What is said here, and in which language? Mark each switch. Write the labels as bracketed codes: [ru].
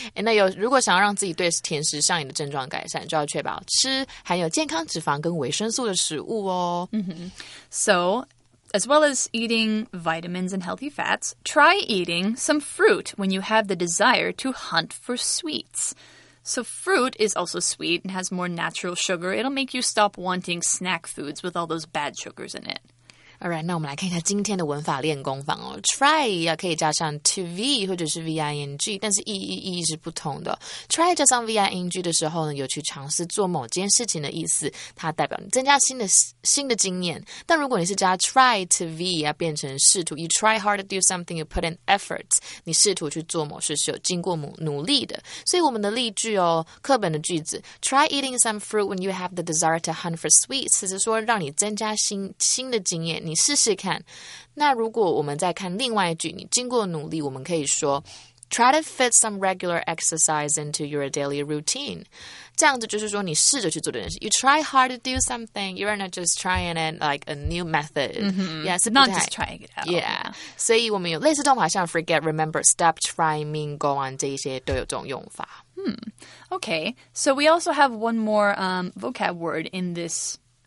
[zh] 那有如果想要让自己对甜食上瘾的症状改善，就要确保吃含有健康脂肪跟维生素的食物哦。 [en] So, as well as eating vitamins and healthy fats, try eating some fruit when you have the desire to hunt for sweets. So fruit is also sweet and has more natural sugar. It'll make you stop wanting snack foods with all those bad sugars in it. All right, [zh] 那我们来看一下今天的文法练功坊哦。Try 要可以加上 to V 或者是 V-I-N-G, 但是意义是不同的。 Try 加上 V-I-N-G 的时候呢，有去尝试做某件事情的意思，它代表你增加新的经验。但如果你是加 try to V, 要变成试图 [en] you try hard to do something, you put in effort, [zh] 你试图去做某事是有经过努力的。所以我们的例句哦，课本的句子 [en] try eating some fruit when you have the desire to hunt for sweets, [zh] 只是说让你增加新的经验你试试看。那如果我们再看另外一句，你经过努力，我们可以说 [en] try to fit some regular exercise into your daily routine. [zh] 这样子就是说你试着去做这件事。 [en] You try hard to do something. You are not just trying it like a new method. Yes, not just trying it out. [zh] Yeah. 所以我们有类似动法，像 forget, remember, stop, try, mean, go on, 这些都有这种用法。 [en] Okay. So we also have one more vocab word in this.